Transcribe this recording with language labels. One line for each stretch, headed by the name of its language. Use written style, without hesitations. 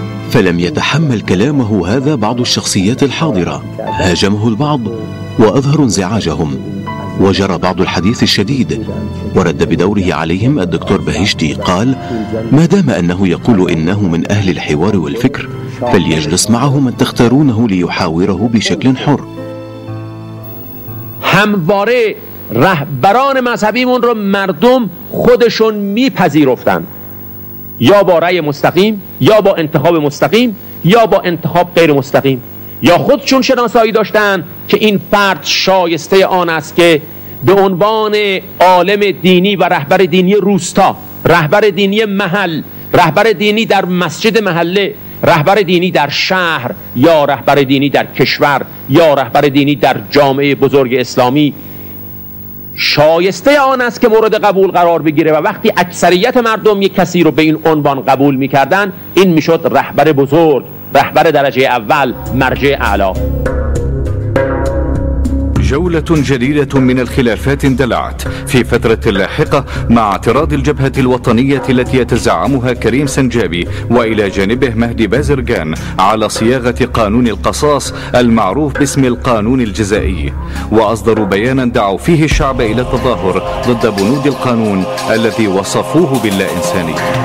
Arabic: فلم يتحمل كلامه هذا بعض الشخصيات الحاضرة، هاجمه البعض وأظهر انزعاجهم، وجرى بعض الحديث الشديد، ورد بدوره عليهم الدكتور بهشتي، قال: ما دام أنه يقول إنه من أهل الحوار والفكر فليجلس معه من تختارونه ليحاوره بشكل حر.
Persian: همواره رهبران مذهبیمون رو مردم خودشون میپذیرفتن، یا با رأی مستقیم، یا با انتخاب مستقیم، یا با انتخاب غیر مستقیم، یا خودشون شناسایی داشتن که این فرد شایسته آن است که به عنوان عالم دینی و رهبر دینی روستا، رهبر دینی محل، رهبر دینی در مسجد محله، رهبر دینی در شهر، یا رهبر دینی در کشور، یا رهبر دینی در جامعه بزرگ اسلامی شایسته آن است که مورد قبول قرار بگیره. و وقتی اکثریت مردم یک کسی رو به این عنوان قبول میکردن، این میشد رهبر بزرگ، رهبر درجه اول، مرجع اعلی.
Arabic: جولة جديدة من الخلافات اندلعت في فترة لاحقة مع اعتراض الجبهة الوطنية التي يتزعمها كريم سنجابي وإلى جانبه مهدي بازرغان على صياغة قانون القصاص المعروف باسم القانون الجزائي، وأصدروا بيانا دعوا فيه الشعب إلى التظاهر ضد بنود القانون الذي وصفوه باللا إنساني.